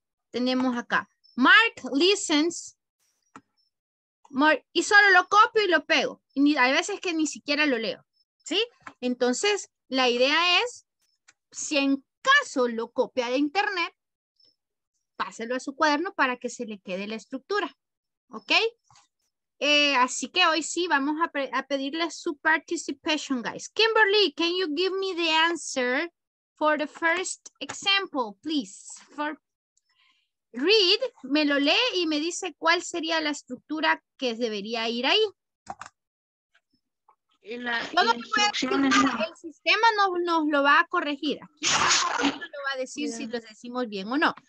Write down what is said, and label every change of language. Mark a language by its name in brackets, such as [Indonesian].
[Spanish] Tenemos acá, [English] Mark listens, [Spanish] y solo lo copio y lo pego. Y hay veces que ni siquiera lo leo, ¿sí? Entonces, la idea es, si en caso lo copia de internet, páselo a su cuaderno para que se le quede la estructura, ¿ok? Así que hoy sí vamos a pedirle su participation, guys. [English] Kimberly, can you give me the answer for the first example, please? For read, [Spanish] me lo lee y me dice cuál sería la estructura que debería ir ahí. El sistema nos lo va a corregir. Aquí nos lo va a decir si lo decimos bien o no.